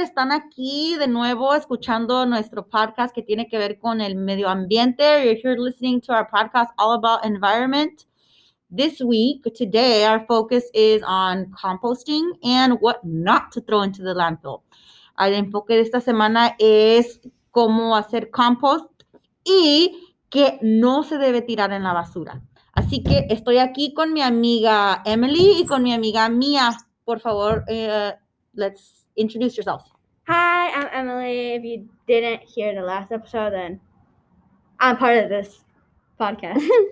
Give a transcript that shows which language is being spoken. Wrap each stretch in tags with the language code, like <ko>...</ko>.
<es>Están aquí de nuevo escuchando nuestro podcast que tiene que ver con el medio ambiente.</es> <en>You're here listening to our podcast all about environment. This week, today, our focus is on composting and what not to throw into the landfill.</en> <es>El enfoque de esta semana es cómo hacer compost y que no se debe tirar en la basura. Así que estoy aquí con mi amiga Emily y con mi amiga Mia. Por favor,</es> <en>let's introduce yourselves. Hi, I'm Emily. If you didn't hear the last episode, then I'm part of this podcast.</en>